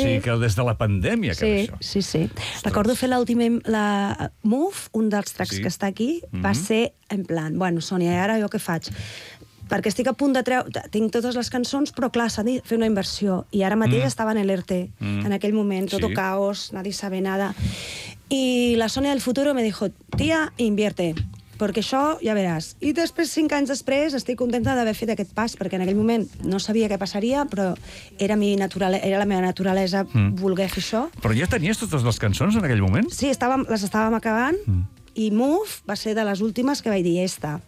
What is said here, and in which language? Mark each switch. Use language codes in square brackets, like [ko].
[ca] O sigui que des de la pandèmia que era això. Sí. Ostres. Recordo fer l'última, la Move, un dels tracks que està aquí, va ser en plan, bueno, Sonia, ara jo què faig? Perquè estic a punt de treure... Tinc totes les cançons, però, clar, s'ha de fer una inversió. I ara mateix estava en l'ERTE, en aquell moment, tot caos, [es] nadie sabe nada. I la Sonia del futuro me dijo, tia, invierte. [ca] Perquè això, ja veràs. I després, 5 anys després, estic contenta d'haver fet aquest pas, perquè en aquell moment no sabia què passaria, però era la meva naturalesa voler fer això. Però ja tenies totes les cançons en aquell moment? Sí, les estàvem acabant, i Move va ser de les últimes que vaig dir, esta.